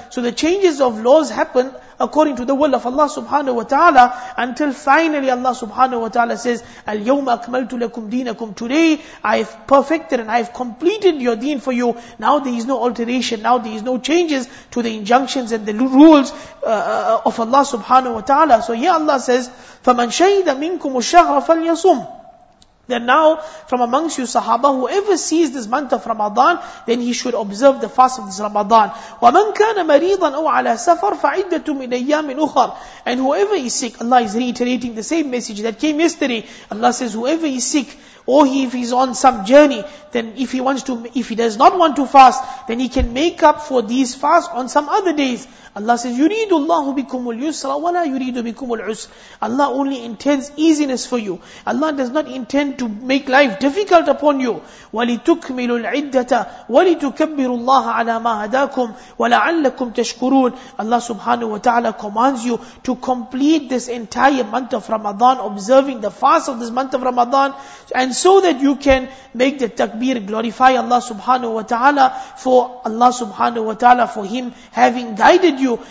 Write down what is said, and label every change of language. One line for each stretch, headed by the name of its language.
English: So the changes of laws happen according to the will of Allah subhanahu wa ta'ala, until finally Allah subhanahu wa ta'ala says,
Arabic: Al-yawma akmaltu lakum deenakum,
English: today I have perfected and I have completed your deen for you. Now there is no alteration, now there is no changes to the injunctions and the rules of Allah subhanahu wa ta'ala. So here Allah says,
Arabic: فَمَنْ شَهِدَ مِنْكُمُ الشَّهْرَ فَلْيَصُمْ.
English: Then now, from amongst you sahaba, whoever sees this month of Ramadan, then he should observe the fast of this Ramadan.
Arabic: وَمَنْ كَانَ مَرِيضًا أَوْ عَلَى سَفَرْ فَعِدَّةٌ مِنْ أَيَّامٍ أُخَرٍ.
English: And whoever is sick, Allah is reiterating the same message that came yesterday. Allah says, whoever is sick, or he, if he's on some journey, then if he does not want to fast, then he can make up for these fasts on some other days. Allah says,
Arabic: يُرِيدُ اللَّهُ بِكُمُ الْيُسْرَ وَلَا يُرِيدُ بِكُمُ الْعُسْرَ.
English: Allah only intends easiness for you. Allah does not intend to make life difficult upon you.
Arabic: وَلِتُكْمِلُ الْعِدَّةَ وَلِتُكَبِّرُ اللَّهَ عَلَى مَا هَدَاكُمْ وَلَعَلَّكُمْ تَشْكُرُونَ.
English: Allah subhanahu wa ta'ala commands you to complete this entire month of Ramadan, observing the fast of this month of Ramadan, and so that you can make the takbir glorify Allah subhanahu wa ta'ala for Allah subhanahu wa ta'ala, for him having guided you.